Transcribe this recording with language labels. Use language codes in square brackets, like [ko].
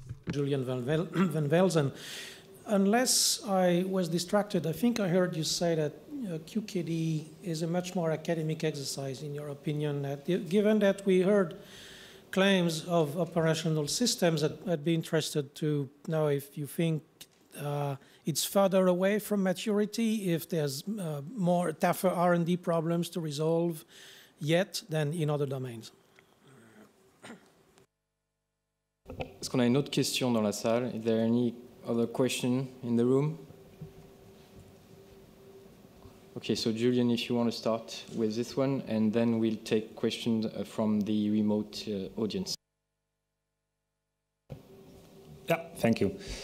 [en] Julian Van Velzen, unless I was distracted, I think I heard you say that QKD is a much more academic exercise, in your opinion, that given that we heard claims of operational systems, I'd be interested to know if you think it's further away from maturity, if there's more tougher R&D problems to resolve yet than in other domains. [fr] Est-ce qu'on a une autre question dans la salle? [en] Is there any other question in the room? Okay, so Julian, if you want to start with this one, and then we'll take questions from the remote audience. Yeah, thank you.